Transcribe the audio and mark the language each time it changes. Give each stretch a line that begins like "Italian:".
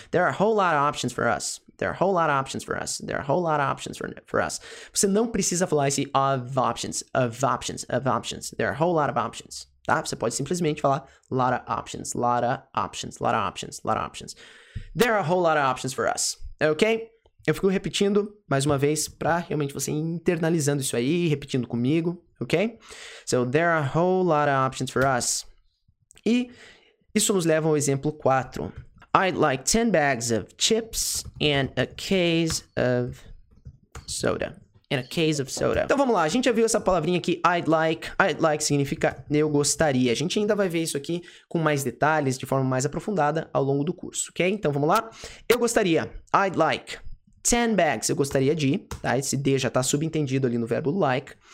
English: There are a whole lot of options for us. There are a whole lot of options for us. There are a whole lot of options for us.
Portuguese: Você não precisa falar esse of options, of options, of options.
English: There are a whole lot of options. Tá?
Portuguese: Você pode simplesmente falar
English: lot of options, lot of options, lot of options, lot of options. There are a whole lot of options for us. Ok?
Portuguese: Eu fico repetindo mais uma vez para realmente você internalizando isso aí, repetindo comigo.
English: Ok? So, there are a whole lot of options for us.
Portuguese: E isso nos leva ao exemplo 4.
English: I'd like 10 bags of chips and a case of soda. In a case of soda.
Portuguese: Então, vamos lá. A gente já viu essa palavrinha aqui,
English: I'd like.
Portuguese: I'd like significa eu gostaria. A gente ainda vai ver isso aqui com mais detalhes, de forma mais aprofundada ao longo do curso. Ok? Então, vamos lá. Eu gostaria. I'd like 10 bags, eu gostaria de, tá? Esse de já tá subentendido ali no verbo like.